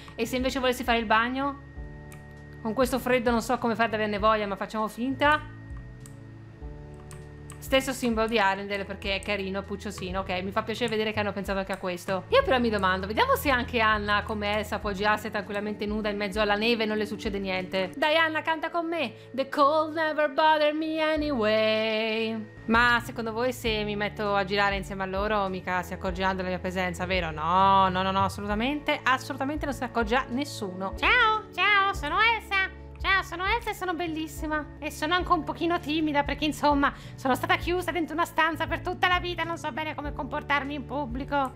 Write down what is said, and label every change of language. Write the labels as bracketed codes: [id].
[it] E se invece volessi fare il bagno? Con questo freddo non so come fare ad averne voglia, ma facciamo finta. Stesso simbolo di Arendelle, perché è carino, pucciosino, ok, mi fa piacere vedere che hanno pensato anche a questo. Io però mi domando, vediamo se anche Anna, come Elsa, può girarsi tranquillamente nuda in mezzo alla neve e non le succede niente. Dai Anna, canta con me! [en] The cold never bothered me anyway. [it] Ma secondo voi se mi metto a girare insieme a loro, mica si accorgerà della mia presenza, vero? No, no, no, no, assolutamente, assolutamente non si accorgerà nessuno. Ciao, ciao, sono Elsa! Ciao, sono Elsa e sono bellissima. E sono anche un pochino timida perché, insomma, sono stata chiusa dentro una stanza per tutta la vita e non so bene come comportarmi in pubblico.